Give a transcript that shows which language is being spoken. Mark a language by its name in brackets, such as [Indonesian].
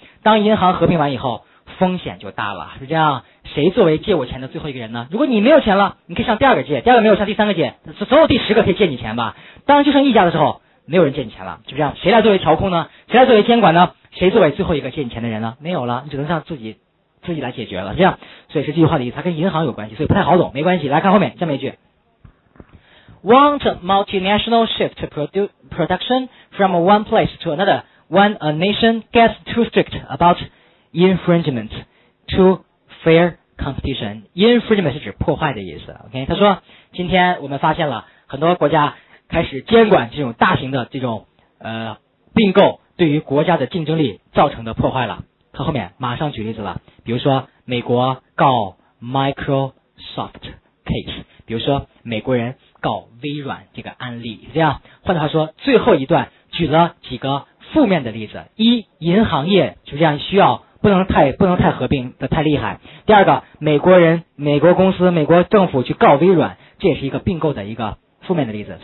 [Chinese] 当银行合并完以后风险就大了，是这样，谁作为借我钱的最后一个人呢，如果你没有钱了你可以向第二个借，第二个没有向第三个借，总有第十个可以借你钱吧，当就剩一家的时候没有人借你钱了，是不是这样，谁来作为调控呢，谁来作为监管呢，谁作为最后一个借你钱的人呢，没有了，你只能向自己来解决了，是这样，所以是这句话的意思，它跟银行有关系，所以不太好懂，没关系，来看后面下面一句， [English] Want multinational shift production from one place to another when a nation gets too strict about infringement to fair competition. [Chinese] Infringement 是指破坏的意思。OK， 他说今天我们发现了很多国家开始监管这种大型的这种并购对于国家的竞争力造成的破坏了。他后面马上举例子了，比如说美国告 Microsoft case， 比如说美国人告微软这个案例，这样换句话说，最后一段举了几个负面的例子：一，银行业就这样需要不能太合并的太厉害；第二个，美国人、美国公司、美国政府去告微软，这也是一个并购的一个负面的例子。